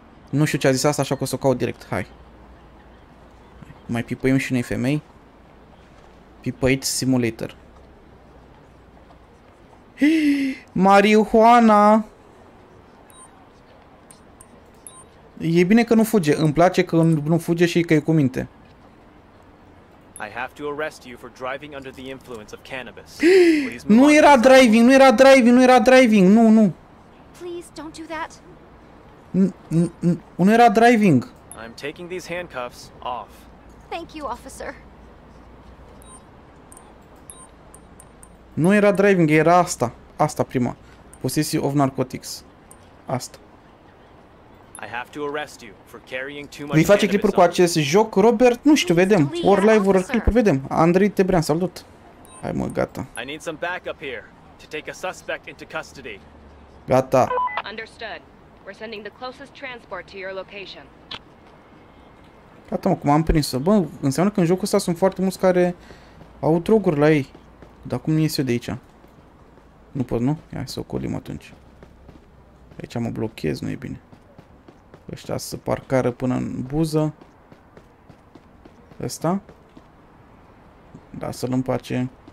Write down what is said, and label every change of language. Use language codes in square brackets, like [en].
[ro] Nu știu ce a zis asta, așa că o să o caut direct. Hai. Mai pipăim și unei femei. Pipăit simulator. Marihuana! E bine că nu fuge. Îmi place că nu fuge și că e cu minte. [en] I have to arrest you for driving under the influence of cannabis. [ro] Nu era driving, nu era driving, nu era driving. Nu, nu. [en] Please don't do that. [ro] Nu era driving. [en] I'm taking these handcuffs off. Thank you, officer. [ro] Nu era driving, era asta. Asta prima. [en] Possession of narcotics. [ro] Asta. [en] I have to arrest you for carrying too much. [ro] Vei face clipuri cu acest joc, Robert? Nu știu, vedem. Ori live, ori clipuri, vedem. Andrei Tebrean, salut. Hai mă, gata. [en] I need some backup here to take a suspect into custody. [ro] Gata. [en] Understood. We're sending the closest transport to your location. [ro] Gata, mă, cum am prins-o. Bă, înseamnă că în jocul ăsta sunt foarte mulți care au droguri la ei. Dar cum ies eu de aici? Nu pot, nu? Ia să ocolim atunci. Aici mă blochez, nu e bine. Ăștia să parcară până în buză. Ăsta? Da, să-l împace.